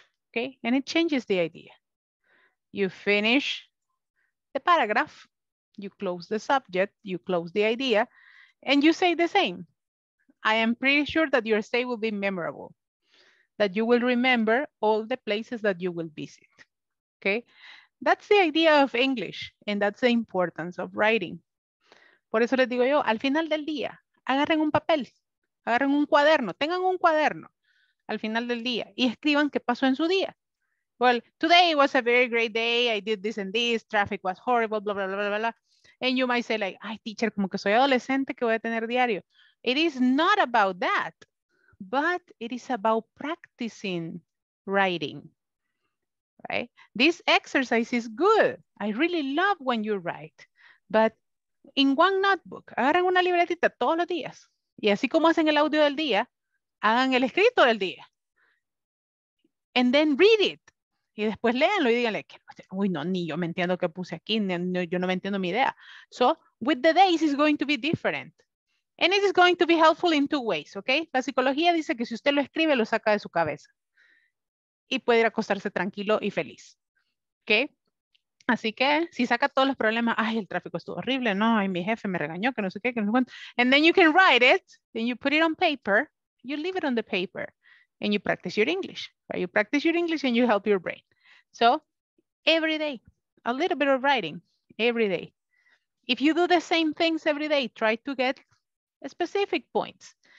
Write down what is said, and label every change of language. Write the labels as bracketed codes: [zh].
[en] Okay, and it changes the idea. You finish the paragraph, you close the subject, you close the idea, and you say the same. I am pretty sure that your stay will be memorable, that you will remember all the places that you will visit. Okay, that's the idea of English, and that's the importance of writing. [es] Por eso les digo yo, al final del día, agarren un papel, agarren un cuaderno, tengan un cuaderno al final del día y escriban qué pasó en su día. [en] Well, today was a very great day, I did this and this, traffic was horrible, blah, blah, blah, blah, blah. And you might say like, [es] ay, teacher, como que soy adolescente, ¿qué voy a tener diario? [en] It is not about that, but it is about practicing writing, right? This exercise is good. I really love when you write, but in one notebook, [es] agarren una libretita todos los días. Y así como hacen el audio del día, hagan el escrito del día. [en] And then read it. [es] Y después léanlo y díganle, uy, no, ni yo me entiendo qué puse aquí, ni, no, yo no me entiendo mi idea. [en] So, with the days, it's going to be different. And it is going to be helpful in two ways, okay? [es] La psicología dice que si usted lo escribe, lo saca de su cabeza. Y puede ir a acostarse tranquilo y feliz. Okay? Así que, si saca todos los problemas, ay, el tráfico estuvo horrible, no, ay, mi jefe me regañó, que no sé qué, que no sé cuánto. [en] And then you can write it, then you put it on paper, you leave it on the paper, and you practice your English. Right? You practice your English and you help your brain. So, every day, a little bit of writing, every day. If you do the same things every day, try to get specific points.